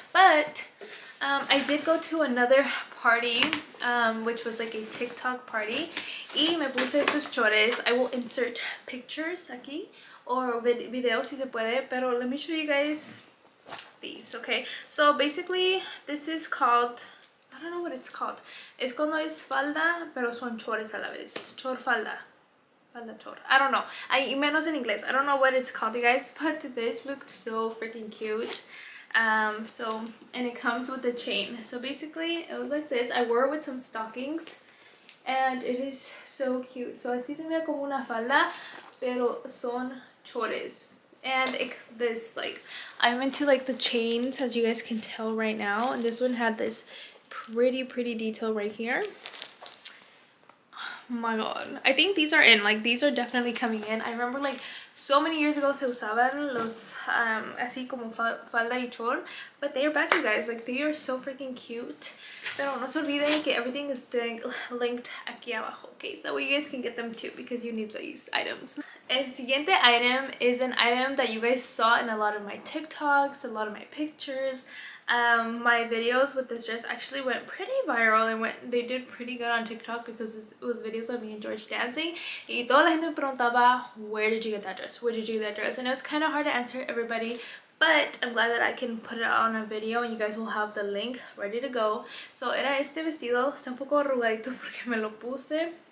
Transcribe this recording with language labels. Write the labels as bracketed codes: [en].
[en] But I did go to another party, which was like a TikTok party, [es] y me puse estos chores. [en] I will insert pictures aquí or videos [es] si se puede, [en] pero let me show you guys these, okay? So basically, this is called, I don't know what it's called. [es] Es cuando es falda, pero son chores a la vez. Chor falda. [en] I don't know. I menos in English. I don't know what it's called, you guys. But this looked so freaking cute. So, and it comes with a chain. So basically, it was like this. I wore it with some stockings, and it is so cute. [es] So así se mira como una falda, pero son chores. [en] And it, this, like, I'm into like the chains, as you guys can tell right now. And this one had this pretty, pretty detail right here. My god, I think these are in, like, these are definitely coming in. I remember, like, so many years ago [es] se usaban los así como falda y chor, [en] but they are back, you guys. Like, they are so freaking cute. [es] Pero no se olviden que [en] everything is linked [es] aquí abajo, [en] okay? So that way you guys can get them too, because you need these items. [es] El siguiente item [en] is an item that you guys saw in a lot of my TikToks, a lot of my pictures. My videos with this dress actually went pretty viral, and they did pretty good on TikTok, because it was videos of me and George dancing. [es] Y toda la gente me preguntaba, [en] where did you get that dress? Where did you get that dress? And it was kind of hard to answer everybody, but I'm glad that I can put it on a video and you guys will have the link ready to go. [es] So era este vestido. Está un poco arrugadito porque me lo puse.